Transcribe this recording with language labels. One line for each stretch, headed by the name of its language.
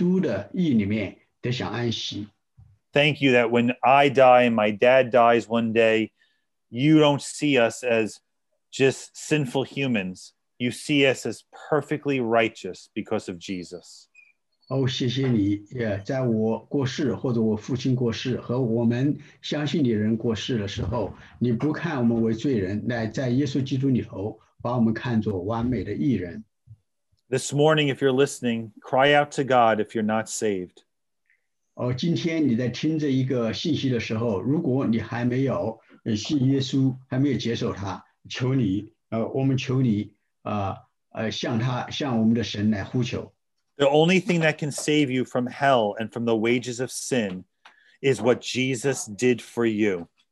Chinese: 谢谢你,我就可以在耶稣基督的义里面得享安息。
English: Thank you that when I die and my dad dies one day, you don't see us as just sinful humans, you see us as perfectly righteous because of Jesus.
Chinese: Oh, 谢谢你, yeah, 在我过世,或者我父亲过世,和我们相信你人过世的时候, 你不看我们为罪人,乃在耶稣基督里头,把我们看作完美的义人。
English: This morning, if you're listening, cry out to God if you're not saved.
Chinese: Oh, 今天你在听这一个信息的时候,如果你还没有信耶稣,还没有接受他, 求你,我们求你,向他,向我们的神来呼求。
English: The only thing that can save you from hell and from the wages of sin is what Jesus did for you.